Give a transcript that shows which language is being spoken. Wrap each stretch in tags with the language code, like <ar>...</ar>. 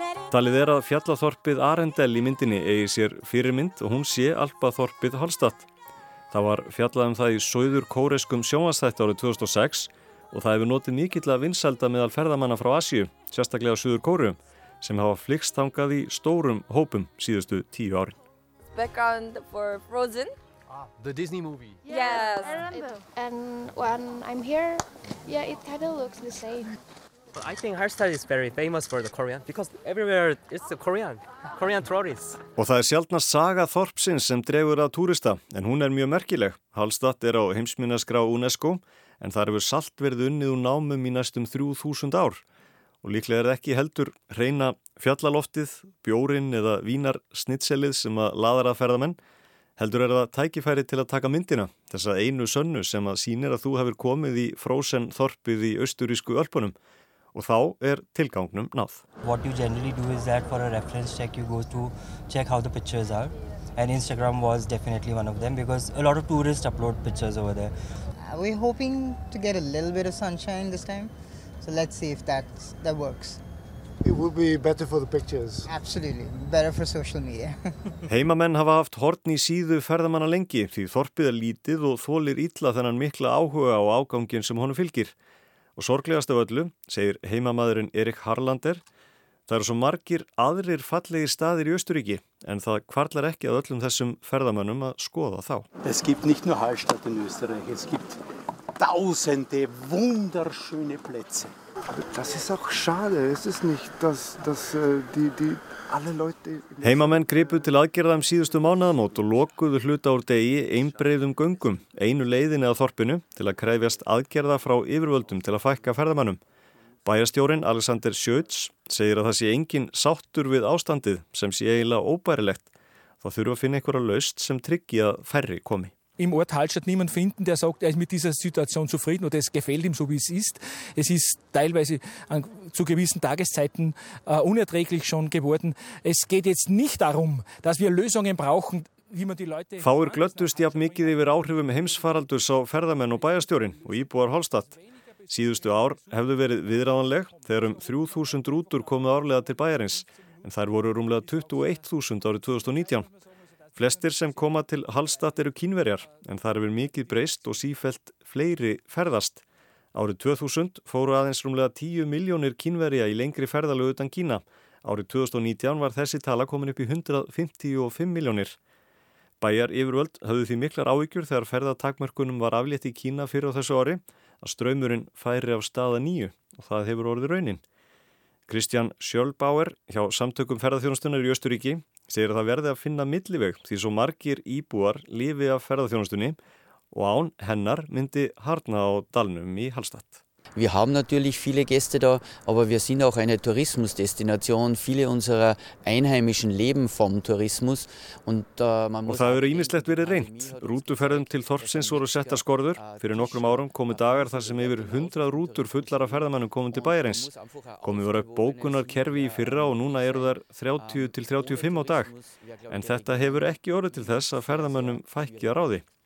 <is>Talið að fjallaþorpið Arendelle í myndinni eigi sér fyrirmynd og hún sé Alpaþorpið Hallstatt. Það var fjallað það í sauður kóreskum sjónvarpsþætti árið 2006 og það hefur notið mikilla vinsælda meðal ferðamanna frá Asíu, sérstaklega á suður Kóreu, sem hafa flykst þangað í stórum hópum síðustu 10 árin.</is> <en>Background for Frozen. The Disney movie. Yes. And when I'm here, yeah, it kind of looks the same. But I think Hallstatt is very famous for the Korean because everywhere it's the Korean tourists.</en> <is>Og það sjaldnast saga þorpsins sem dregur að túrista, en hún mjög merkileg. Hallstatt á heimsminjaskrá UNESCO, en þar hefur salt verið unnið úr námum í næstum 3000 ár. Og líklega ekki heldur hreina fjallaloftið, bjórinn eða vínar snitselið sem að laðar að ferðamenn. Heldur það tækifæri til að taka myndina, þessa einu sönnu sem að sýnir að þú hefur komið í Frozen þorpið í austurísku Ölpunum. og þá er tilgangnum náð.</is> <en>What you generally do is that for a reference check you go to check how the pictures are. And Instagram was definitely one of them because a lot of tourists upload pictures over there. We're hoping to get a little bit of sunshine this time. So let's see if that works. It would be better for the pictures. Absolutely, better for social media.</en> <is>Heimamenn hafa haft horn í síðu ferðamanna lengi því þorpið er lítið og þolir illa þennan mikla áhuga á ágangin sem honum fylgir. Og sorglegast af öllu, segir heimamaðurinn Erik Harlander, það eru svo margir aðrir fallegir staðir í Austurríki, en það hvarlar ekki að öllum þessum ferðamönnum að skoða þá.</is> <de>Es gibt nicht nur Hallstatt in Österreich, es gibt tausende wunderschöne Plätze. Das ist auch schade, es ist nicht, dass die alle Leute...</de> <is>Heimamenn gripu til aðgerða síðustu mánaðamót og lokuðu hluta úr degi einbreiðum göngum, einu leiðinni að þorpinu, til að krefjast aðgerða frá yfirvöldum til að fækka ferðamönnum. Bæjarstjórinn Alexander Schütz segir að það sé engin sáttur við ástandið sem sé eiginlega óbærilegt. Það þurfa að finna einhverja lausn sem tryggi að færri komi.</is> <de>Im Ort Hallstatt niemand finden, der sagt, er ist mit dieser Situation zufrieden oder es gefällt ihm so, wie es ist. Es ist teilweise zu gewissen Tageszeiten unerträglich schon geworden. Es geht jetzt nicht darum, dass wir Lösungen brauchen, wie man die Leute...</de> <is>Fáir glöttust jafn mikið yfir áhrifum heimsfaraldurs á ferðamenn og bæjarstjórinn og íbúar Hallstatt. Síðustu ár hefðu verið viðráðanleg þegar 3000 rútur komu árlega til bæjarins en þær voru rúmlega 21.000 árið 2019. Flestir sem koma til Hallstatt eru kínverjar en þar hefur mikið breyst og sífellt fleiri ferðast. Árið 2000 fóru aðeins rúmlega 10 miljónir kínverja í lengri ferðalög utan Kína. Árið 2019 var þessi tala komin upp í 155 miljónir. Bæjar yfirvöld höfðu því miklar áhyggjur þegar ferðatakmörkunum var aflétt í Kína fyrir á þessu ári að straumurinn færi af staða nýju og það hefur orðið raunin. Kristján Sjölbauer hjá Samtökum ferðaþjónustunar í Austurríki segir að það verði að finna milliveg því svo margir íbúar lifi af ferðaþjónustunni og án hennar myndi harna á dalnum í Hallstatt.</is> <de>Wir haben natürlich viele Gäste da, aber wir sind auch eine Tourismusdestination. Viele unserer Einheimischen leben vom Tourismus.</de> <is>Og það eru ýmislegt verið reynt. Rútuferðum til þorpsins voru settar skorður. Fyrir nokkrum árum komu dagar þar sem yfir 100 rútur fullar af ferðamennum komu til bæjarins. Komu voru upp bókunarkerfi í fyrra og núna eru þar 30 til 35 á dag. En þetta hefur ekki orðið til þess að ferðamennum fækki að ráði.</is>